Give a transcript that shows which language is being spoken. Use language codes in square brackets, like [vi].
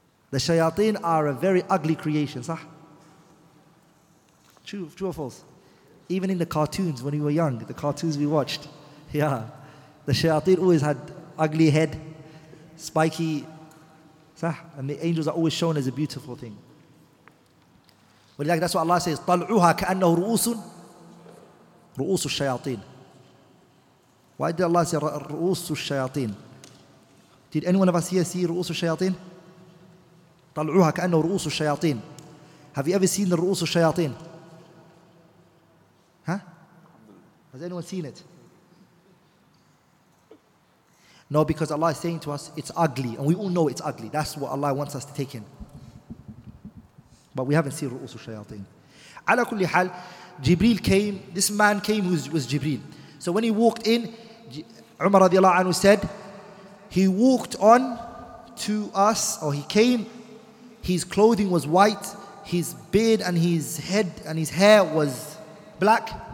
[en] The shayateen are a very ugly creation. Sah? True or false? Even in the cartoons when we were young, the cartoons we watched, yeah, the shayateen always had ugly head, spiky, sah? And the angels are always shown as a beautiful thing. That's what Allah says, [ar] طَلْعُهَا كَأَنَّهُ رُؤُوسٌ رُؤُوسُ الشَّيَاطِينَ. [en] Why did Allah say [ar] رُؤُوسُ الشَّيَاطِينَ? [en] Did anyone of us here see رُؤُوسُ الشَّيَاطِينَ? [ar] طَلْعُهَا كَأَنَّهُ رُؤُوسُ الشَّيَاطِينَ. [en] Have you ever seen the [ar] رُؤُوسُ الشَّيَاطِينَ? [en] Huh? Has anyone seen it? No, because Allah is saying to us, it's ugly, and we all know it's ugly. That's what Allah wants us to take in. But we haven't seen [ar] رؤوس الشياطين. على كل حال, [en] Jibreel came. This man came who was Jibreel. So when he walked in, Umar radiallahu anhu said, he walked on to us, or he came. His clothing was white. His beard and his head and his hair was black.